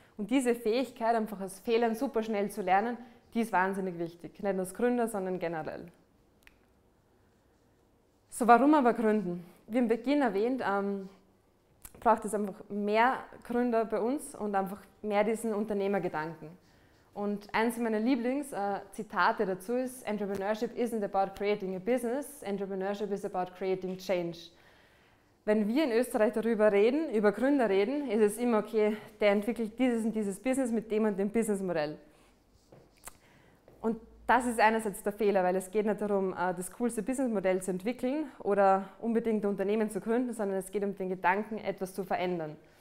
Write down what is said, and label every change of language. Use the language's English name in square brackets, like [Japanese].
[German] Und diese Fähigkeit, einfach aus Fehlern super schnell zu lernen, die ist wahnsinnig wichtig. Nicht nur als Gründer, sondern generell. So, warum aber gründen? Wie am Beginn erwähnt, braucht es einfach mehr Gründer bei uns und einfach mehr diesen Unternehmergedanken. Und eins meiner Lieblingszitate dazu ist, [English] Entrepreneurship isn't about creating a business, Entrepreneurship is about creating change. [German] Wenn wir in Österreich darüber reden, über Gründer reden, ist es immer okay, der entwickelt dieses und dieses Business mit dem und dem Businessmodell. Und das ist einerseits der Fehler, weil es geht nicht darum, das coolste Businessmodell zu entwickeln oder unbedingt ein Unternehmen zu gründen, sondern es geht um den Gedanken, etwas zu verändern.